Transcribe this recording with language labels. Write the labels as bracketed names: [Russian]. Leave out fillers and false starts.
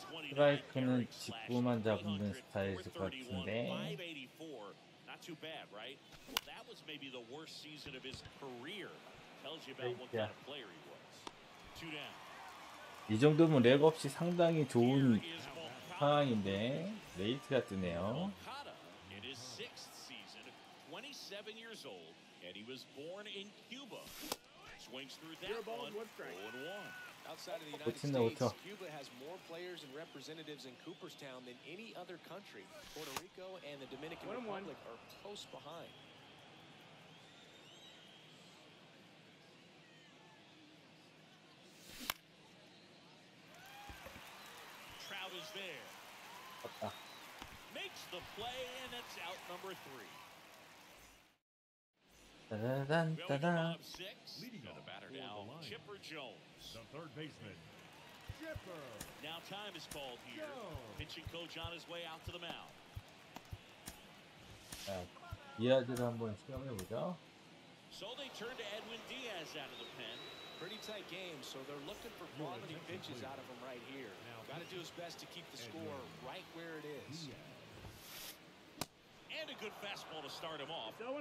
[Korean] 스트라이크는 직구만 잡는 스타일일 것 같은데. [English] Not too bad, right? Well, that was maybe the worst season of his career. Tells you about what kind of player he was. Two down. [Korean] 이 정도면 렉 없이 상당히 좋은 상황인데 레이트가 뜨네요. [English] In his sixth season, 27 years old, and he was born in Cuba. Swings through that one. 0-1. Outside of the United States, Cuba has more players and representatives in Cooperstown than any other country. Puerto Rico and the Dominican Republic are close behind. Trout is there. Makes the play, and it's out number three. Da-da-dan, da-da-dan. Leading on the batter now, Chipper Jones. The third baseman, Chipper. Now time is called here. Jones. Pitching coach on his way out to the mound. [Korean] 자, 디아즈를 한번 시험해보죠. [English] So they turn to Edwin Diaz out of the pen. Pretty tight game, so they're looking for quality pitches out of him right here. Got to do his best to keep the score right where it is. And a good fastball to start him off.